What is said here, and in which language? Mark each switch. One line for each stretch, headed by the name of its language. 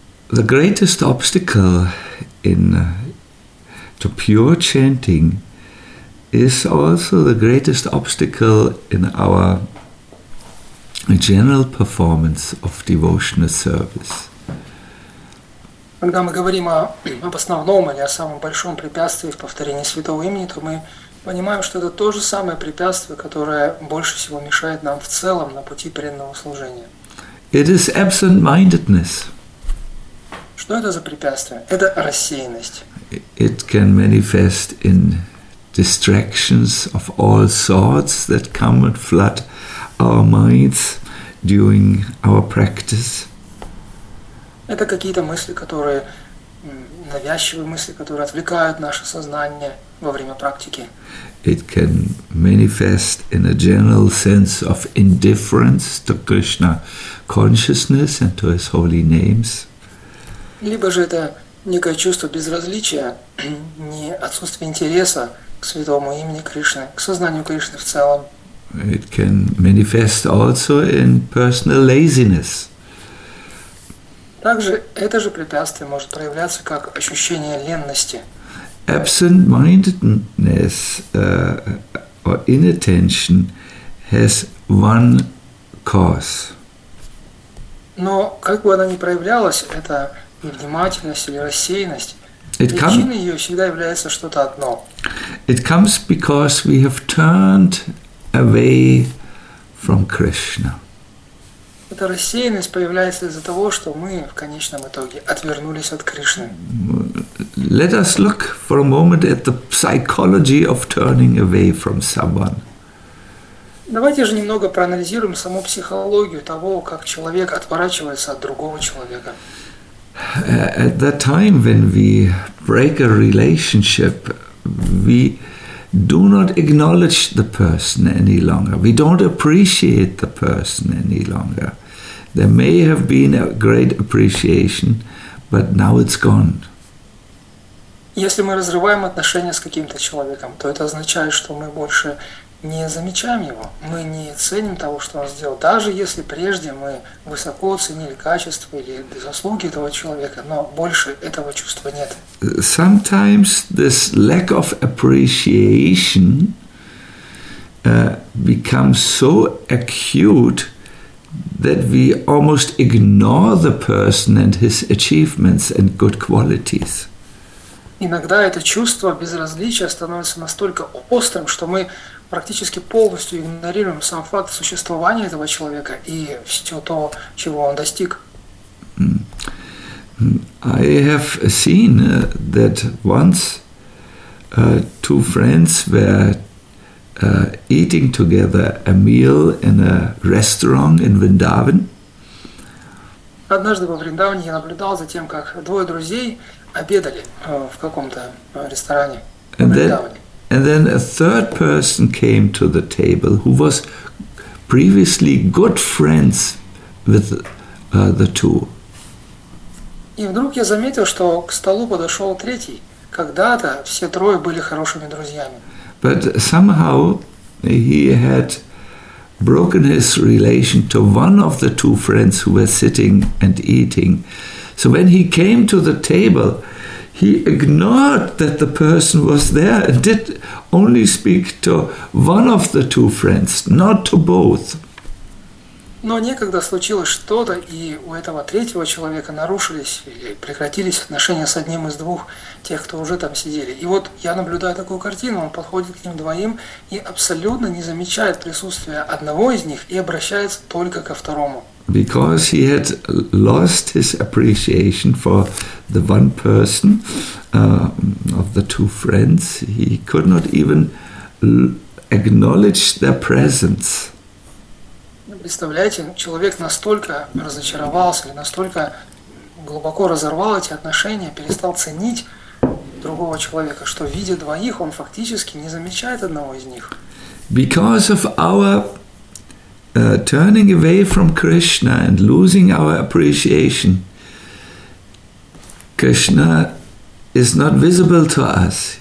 English: The greatest obstacle in to pure chanting is also the greatest obstacle in our general performance of devotional service.
Russian: Когда мы говорим об основном или о самом большом препятствии в повторении святого имени, то мы понимаем, что это то же самое препятствие, которое больше всего мешает нам в целом на пути преданного служения.
English: It is absent-mindedness.
Russian: Что это за препятствие? Это рассеянность.
English: It can manifest in distractions of all sorts that come and flood our minds during our practice.
Russian: Это какие-то мысли, которые навязчивые мысли, которые отвлекают наше сознание во время практики.
English: It can manifest in a general sense of indifference to Krishna consciousness and to His holy names.
Russian: Либо же это некое чувство безразличия, не отсутствие интереса к святому имени Кришны, к сознанию Кришны в целом.
English: It can manifest also in personal laziness.
Russian: Также это же препятствие может проявляться как ощущение ленности.
English: Absent-mindedness or inattention has one cause.
Russian: Но как бы она ни проявлялась, это невнимательность или рассеянность, причиной ее всегда является что-то одно.
English: It comes because we have turned away from Krishna.
Russian: Это эта рассеянность появляется из-за того, что мы в конечном итоге отвернулись от Кришны.
English: Let us look for a moment at the psychology of turning away from someone.
Russian: Давайте же немного проанализируем саму психологию того, как человек отворачивается от другого человека.
English: At that time, when we break a relationship, we do not acknowledge the person any longer. We don't appreciate the person any longer. There may have been a great appreciation, but now it's gone.
Russian: Если мы разрываем отношения с каким-то человеком, то это означает, что мы больше не замечаем его, мы не ценим того, что он сделал, даже если прежде мы высоко ценили качество или заслуги этого человека, но больше этого чувства нет.
English: Sometimes this lack of appreciation becomes so acute that we almost ignore the person and his achievements and good qualities.
Russian: Иногда это чувство безразличия становится настолько острым, что мы практически полностью игнорируем сам факт существования этого человека и все то, чего он достиг.
English: I have seen that once two friends were eating together a meal in a restaurant in Vrindavan.
Russian: Однажды во Вриндаване я наблюдал за тем, как двое друзей обедали в каком-то ресторане в Вриндаване.
English: And then a third person came to the table who was previously good friends with the two.
Russian: И вдруг я заметил, что к столу подошел третий. Когда-то все трое были хорошими друзьями.
English: But somehow he had broken his relation to one of the two friends who were sitting and eating. So when he came to the table, he ignored that the person was there and did only speak to one of the two friends, not to both.
Russian: Но некогда случилось что-то, и у этого третьего человека нарушились или прекратились отношения с одним из двух тех, кто уже там сидели. И вот я наблюдаю такую картину, он подходит к ним двоим и абсолютно не замечает присутствия одного из них и обращается только ко второму.
English: Because he had lost his appreciation for the one person of the two friends, he could not even acknowledge their presence.
Russian: Представляете, человек настолько разочаровался, настолько глубоко разорвал эти отношения, перестал ценить другого человека, что видя двоих, он фактически не замечает одного из них.
English: Because of our turning away from Krishna and losing our appreciation, Krishna is not visible to us.